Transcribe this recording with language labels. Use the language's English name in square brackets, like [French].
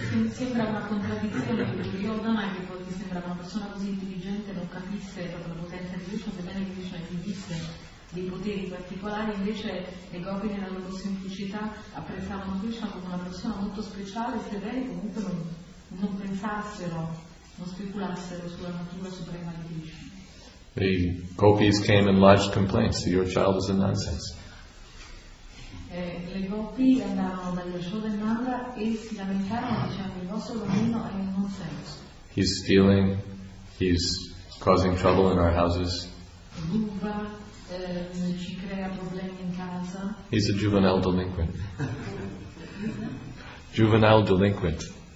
[Italian] sembra una contraddizione che Duryodhana, che poi sembrava una persona così intelligente, non capisse proprio la potenza di Krishna, sebbene Krishna esibisse dei poteri particolari, invece le gopi nella loro semplicità apprezzavano Krishna come una persona molto speciale, sebbene comunque non pensassero, non speculassero sulla natura suprema di Krishna. [English] The gopis came in large complaints, your child is a nonsense. [Italian] Le gopi andarono dagli Ashoda e Nanda e si lamentarono dicendo: il vostro bambino è in un senso. [English] He's stealing, he's causing trouble in our houses. [Italian] Ruba, ci crea problemi in casa. [English] He's a juvenile delinquent. Juvenile delinquent.